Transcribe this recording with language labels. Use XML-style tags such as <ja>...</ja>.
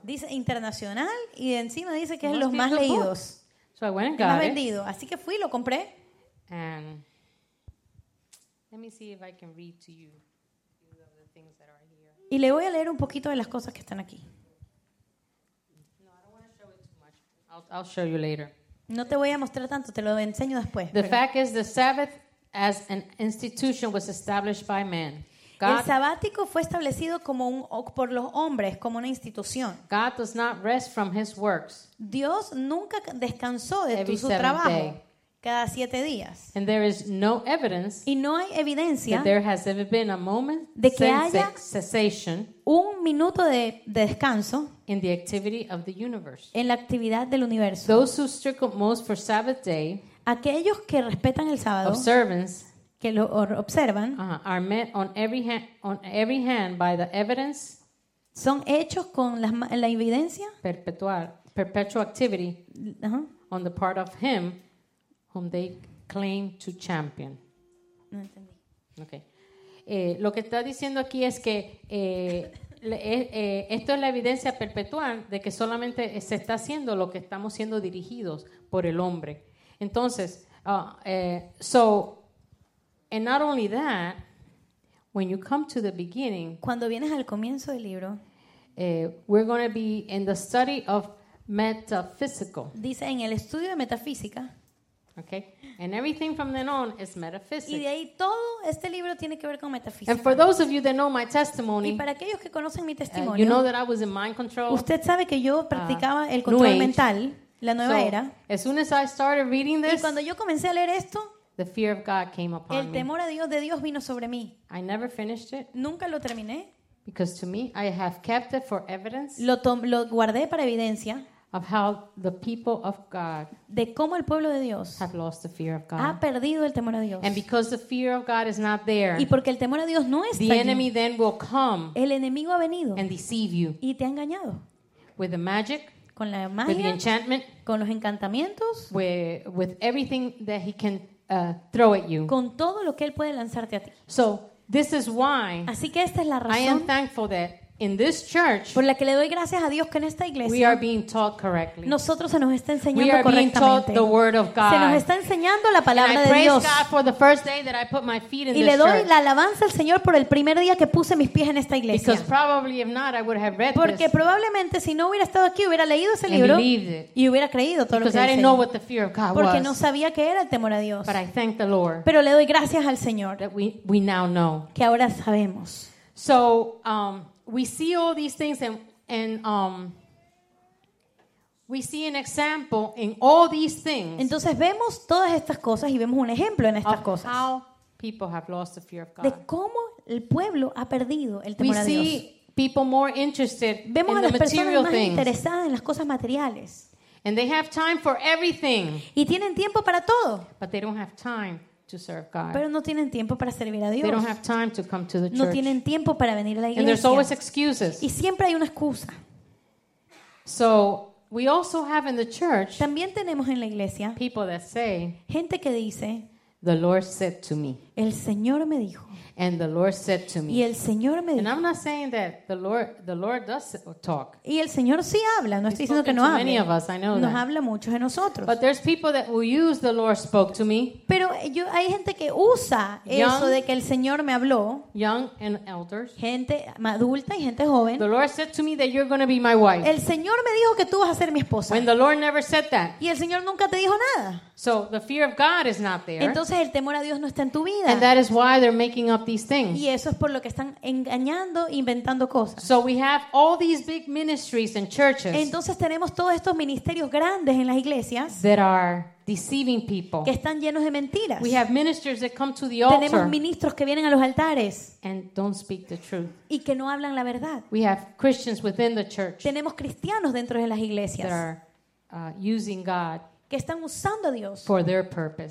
<es>Dice internacional y encima dice que es los más leídos.</es> <en>Book. So I went and got it.</en> <es>Así que fui, lo compré.</es> <en>And let me see if I can read to you of the things that are here.</en> <es>Y le voy a leer un poquito de las cosas que están aquí.</es> <en>No, I don't want to show it too much. I'll show you later.</en> <es>No te voy a mostrar tanto, te lo enseño después.</es> <en>The fact is the Sabbath as an institution was established by man.</en> <es>El sabático fue establecido como un por los hombres, como una institución.</es> <en>God does not rest from his works.</en> <es>Dios nunca descansó de su trabajo cada siete días.</es> <en>And there is no evidence</en> <es>y no hay evidencia</es> <en>that there has ever been a moment</en> <es>de que haya</es> <en>cessation</en> <es>un minuto de descanso</es> <en>in the activity of the universe.</en> <es>En la actividad del universo.</es> <en>Those who strictly most for Sabbath day,</en> <es>aquellos que respetan el sábado,</es> <en>observance,</en> <es>que lo observan,</es> <en>are met on every hand by the evidence,</en> <es>son hechos con la evidencia,</es> <en>perpetual activity, on the part of him whom they claim to champion.</en> <es>No entendí.</es> <en>Okay.</en> <es>Lo que está diciendo aquí es que esto es la evidencia perpetual de que solamente se está haciendo lo que estamos siendo dirigidos por el hombre.</es> <en>Entonces, and not only that, when you come to the beginning,</en> <es>cuando vienes al comienzo del libro,</es> <en>we're going to be in the study of metaphysical.</en> <es>Dice en el estudio de metafísica.</es> <en>Okay. And everything from then on is metaphysics.</en> <es>Y de ahí todo este libro tiene que ver con metafísica.</es> <en>And for those of you that know my testimony,</en> <es>y para aquellos que conocen mi testimonio,</es> <en>you know that I was in mind control.</en> <es>Usted sabe que yo practicaba el control mental, la nueva era.</es> <en>As soon as I started reading this,</en> <es>y cuando yo comencé a leer esto,</es> <en>the fear of God came upon me.</en> <es>El temor a Dios de Dios vino sobre mí.</es> <en>I never finished it.</en> <es>Nunca lo terminé.</es> <en>Because to me, I have kept it for evidence.</en> <es>Lo guardé para evidencia.</es> <en>Of how the people of God,</en> <es>de cómo el pueblo de Dios,</es> <en>have lost the fear of God,</en> <es>ha perdido el temor a Dios,</es> <en>and because the fear of God is not there,</en> <es>y porque el temor a Dios no está allí,</es> <en>the enemy then will come,</en> <es>el enemigo ha venido,</es> <en>and deceive you,</en> <es>y te ha engañado,</es> <en>with the magic,</en> <es>con la magia,</es> <en>with the enchantment,</en> <es>con los encantamientos,</es> <en>with everything that he can throw at you,</en> <es>con todo lo que él puede lanzarte a ti.</es> <en>So this is why,</en> <es>así que esta es la razón,</es> <en>I am thankful that. In this church,</en> <es>por la que le doy gracias a Dios que en esta iglesia,</es> <en>we are being taught correctly.</en> <es>Nosotros se nos está enseñando</es> <en>we are</en> <es>correctamente.</es> <en>Being taught the word of God.</en> <es>Se nos está enseñando la palabra de Dios.</es> <en>And I praise God for the first day that I put my feet in this church.</en> <es>Y le doy la alabanza al Señor por el primer día que puse mis pies en esta iglesia.</es> <en>Because probably if not, I would have read this.</en> <es>Porque probablemente si no hubiera estado aquí hubiera leído ese libro y hubiera creído todo lo que dice.</es> <en>Because I didn't know what the fear of God was.</en> <es>Porque no sabía qué era el temor a Dios.</es> <en>But I thank the Lord.</en> <es>Pero le doy gracias al Señor.</es> <en>That we now know.</en> <es>Que ahora sabemos.</es> <en>So we see all these things and we see an example in all these things.</en> <es>Entonces vemos todas estas cosas y vemos un ejemplo en estas cosas.</es> <en>How people have lost the fear of God.</en> <es>De cómo el pueblo ha perdido el temor a Dios.</es> <en>We see people more interested</en> <es>vemos</es> <en>in the material things.</en> <es>Vemos a las personas más interesadas en las cosas materiales.</es> <en>And they have time for everything.</en> <es>Y tienen tiempo para todo.</es> <en>But they don't have time.</en> <es>Pero no tienen tiempo para servir a Dios.</es> <en>They don't have time to come to the church.</en> <es>No tienen tiempo para venir a la iglesia.</es> <en>And there's always excuses.</en> <es>Y siempre hay una excusa.</es> <en>So we also have in the church.</en> <es>También tenemos en la iglesia.</es> <en>People that say.</en> <es>Gente que dice.</es> <en>The Lord said to me.</en> <es>El Señor me dijo.</es> <en>And the Lord said to me.</en> <es>Y el Señor me dijo.</es> <en>And I'm not saying that the Lord does talk.</en> <es>Y el Señor sí habla. No estoy diciendo que no hable.</es> <en>Many of us, I know</en> <es>nos</es> <en>that.</en> <es>Habla muchos de nosotros.</es> <en>But there's people that will use the Lord spoke to me.</en> <es>Pero hay gente que usa</es> <en>young,</en> <es>eso de que el Señor me habló.</es> <en>Young and elders.</en> <es>Gente adulta y gente joven.</es> <en>The Lord said to me that you're going to be my wife.</en> <es>El Señor me dijo que tú vas a ser mi esposa.</es> <en>When the Lord never said that.</en> <es>Y el Señor nunca te dijo nada.</es> <en>So the fear of God is not there.</en> <es>Entonces el temor a Dios no está en tu vida.</es> <en>And that is why they're making up these things.</en> <es>Y eso es por lo que están engañando, inventando cosas.</es> <en>So we have all these big ministries and churches.</en> <es>Entonces tenemos todos estos ministerios grandes en las iglesias.</es> <en>That are deceiving people.</en> <es>Que están llenos de mentiras.</es> <en>We have ministers that come to the altar.</en> <es>Tenemos ministros que vienen a los altares.</es> <en>And don't speak the truth.</en> <es>Y que no hablan la verdad.</es> <en>We have Christians within the church.</en> <es>Tenemos cristianos dentro de las iglesias.</es> <en>That are using God.</en> <es>Que están usando a Dios</es> <en>for their purpose.</en>